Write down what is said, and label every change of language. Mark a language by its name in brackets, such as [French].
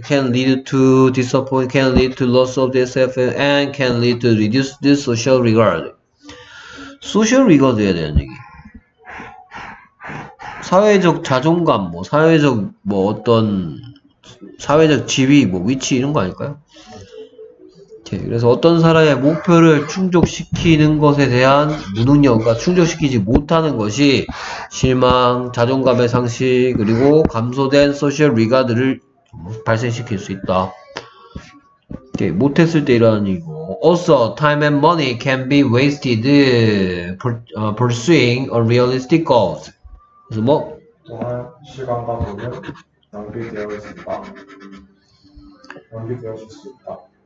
[English] can lead to disappoint, can lead to loss of the self and can lead to reduce the social regard. [Korean] social regard에 대한 얘기. 사회적 자존감, 뭐 사회적 뭐 어떤 사회적 지위, 뭐 위치 이런 거 아닐까요? 그래서 어떤 사람의 목표를 충족시키는 것에 대한 무능력, 그러니까 충족시키지 못하는 것이 실망, 자존감의 상실, 그리고 감소된 소셜 리가드를 발생시킬 수 있다. 못했을 때 이러는 얘기고. [English] Also, time and money can be wasted pursuing unrealistic goals. [Korean] 그래서 뭐? 또한 시간과 돈은 낭비되어질 수 있다.